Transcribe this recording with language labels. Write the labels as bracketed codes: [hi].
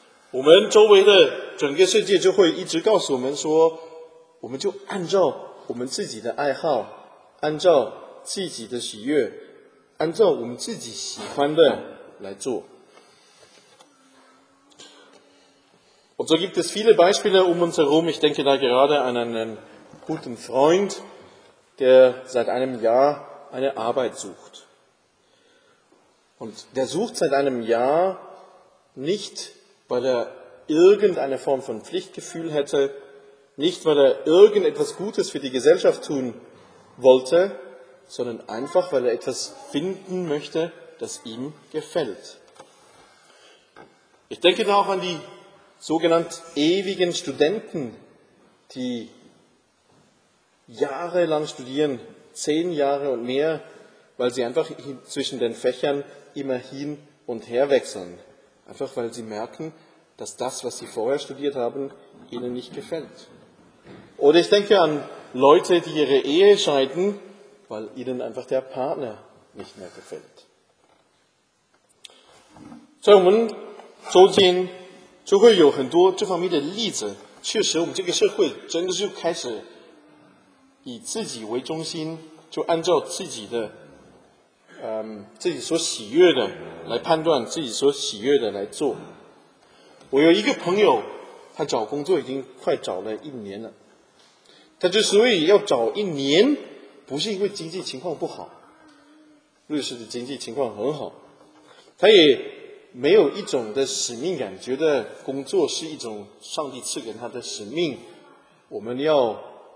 [zh] 我们周围的整个世界就会一直告诉我们说，我们就按照我们自己的爱好，按照自己的喜悦，按照我们自己喜欢的来做。 [de] Und so gibt es viele Beispiele um uns herum. Ich denke da gerade an einen guten Freund, der seit einem Jahr eine Arbeit sucht. Und der sucht seit einem Jahr nicht, weil er irgendeine Form von Pflichtgefühl hätte, nicht, weil er irgendetwas Gutes für die Gesellschaft tun wollte, sondern einfach, weil er etwas finden möchte, das ihm gefällt. Ich denke da auch an die sogenannten ewigen Studenten, die jahrelang studieren, 10 Jahre und mehr, weil sie einfach zwischen den Fächern immer hin und her wechseln. Einfach weil sie merken, dass das, was sie vorher studiert haben, ihnen nicht gefällt. Oder ich denke an Leute, die ihre Ehe scheiden, weil ihnen einfach der Partner nicht mehr gefällt. So, wir haben so gesehen, so haben wir viele dieser Beispiele. Tatsächlich, wir haben diese Gesellschaft wirklich [zh] 以自己为中心，就按照自己的，自己所喜悦的来判断自己所喜悦的来做。我有一个朋友，他找工作已经快找了1年了，他之所以要找1年，不是因为经济情况不好，瑞士的经济情况很好，他也没有一种的使命感，觉得工作是一种上帝赐给他的使命，我们要